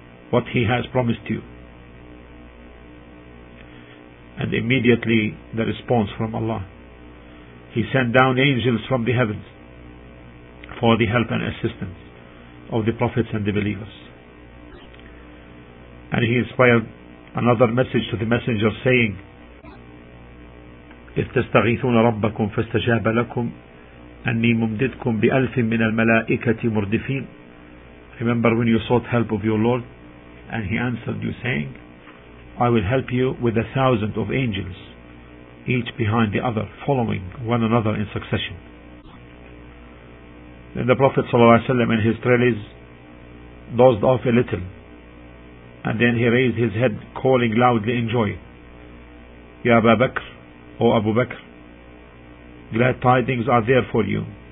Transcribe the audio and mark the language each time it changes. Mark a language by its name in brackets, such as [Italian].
[English] what he has promised you. And immediately the response from Allah, he sent down angels from the heavens for the help and assistance of the prophets and the believers. And he inspired another message to the messenger saying, [Arabic] إِذْ تَسْتَغِيثُونَ رَبَّكُمْ فَاسْتَجَابَ لَكُمْ أَنِّي مُمْدِدْكُمْ بِأَلْفٍ مِّنَ الْمَلَائِكَةِ مُرْدِفِينَ. [English] Remember when you sought help of your Lord and he answered you saying, I will help you with 1,000 of angels, each behind the other, following one another in succession. Then the Prophet ﷺ in his trellis dozed off a little, and then he raised his head calling loudly in joy, Ya Aba Bakr, O Abu Bakr, glad tidings are there for you.